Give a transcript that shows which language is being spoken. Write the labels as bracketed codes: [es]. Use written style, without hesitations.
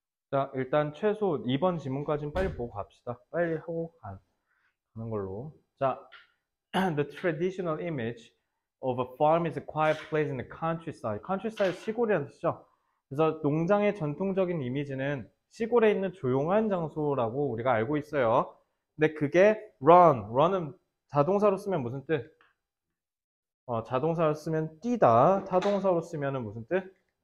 [ko] 자, 일단 최소 2번 지문까지는 빨리 보고 갑시다. 빨리 하고 가는 걸로. [en] 자, the traditional image of a farm is a quiet place in the countryside. [ko] countryside 시골이라는 뜻이죠. 그래서 농장의 전통적인 이미지는 시골에 있는 조용한 장소라고 우리가 알고 있어요. 근데 그게 run은 자동사로 쓰면 무슨 뜻? 자동사로 쓰면 뛰다. 타동사로 쓰면은 무슨 뜻?